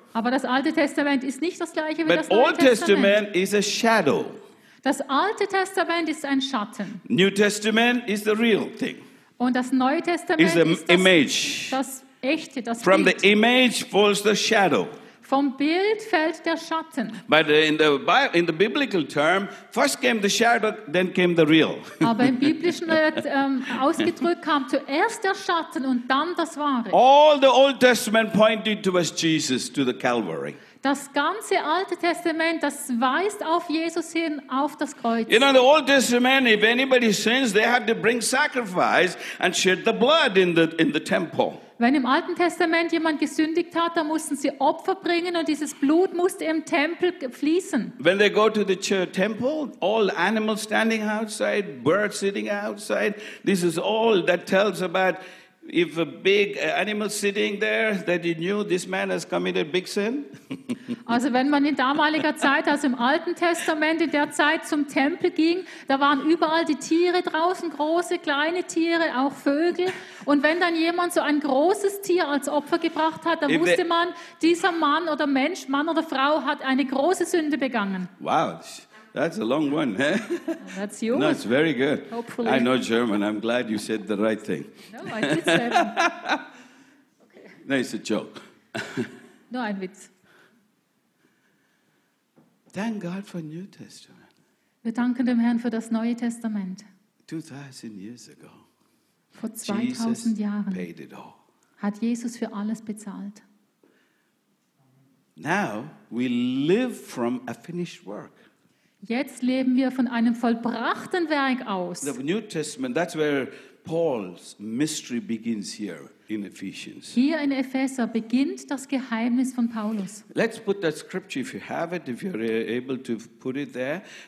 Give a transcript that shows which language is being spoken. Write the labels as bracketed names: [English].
[German] Aber das Alte Testament ist nicht das gleiche wie [English] But [German] das Neue [English] Old Testament. [German] Testament [English] is a shadow. [German] Das Alte Testament ist ein Schatten. [English] New Testament is the real thing. [German] Und das Neue Testament ist das echte, das Bild. [English] From the image falls the shadow. [German] Vom Bild fällt der Schatten. [English] But in the biblical term, first came the shadow, then came the real. [German] Aber im biblischen ausgedrückt kam zuerst der Schatten und dann das Wahre. [English] All the Old Testament pointed towards Jesus, to the Calvary. [German] Das ganze Alte Testament, das weist auf Jesus hin, auf das Kreuz. [English] You know, the Old Testament, if anybody sins, they have to bring sacrifice and shed the blood in the temple. [German] Wenn im Alten Testament jemand gesündigt hat, dann mussten sie Opfer bringen und dieses Blut musste im Tempel fließen. [English] When they go to the temple, all animals standing outside, birds sitting outside, this is all that tells about if a big animal sitting there that you knew this man has committed big sin. [German] Also wenn man in damaliger Zeit, also im Alten Testament, in der Zeit zum Tempel ging, da waren überall die Tiere draußen, große, kleine Tiere, auch Vögel. Und wenn dann jemand so ein großes Tier als Opfer gebracht hat, dann wusste man, dieser Mann oder Mensch, Mann oder Frau, hat eine große Sünde begangen. [English] Wow, that's a long one. Eh? That's you. No, it's very good. Hopefully. I know German. I'm glad you said the right thing. No, I did say it. Okay. No, it's a joke. No, [German] ein Witz. [English] Thank God for New Testament. [German] Wir danken dem Herrn für das Neue Testament. [English] 2000 years ago. [German] Vor 2000 [English] Jesus [German] Jahren. [English] Paid it all. [German] Hat Jesus für alles bezahlt. [English] Now we live from a finished work. [German] Jetzt leben wir von einem vollbrachten Werk aus. [English] The New Testament, that's where Paul's mystery begins here in Ephesians. [German] Hier in Epheser beginnt das Geheimnis von Paulus. [English] Let's put that scripture if you have it, if you're able to put it there.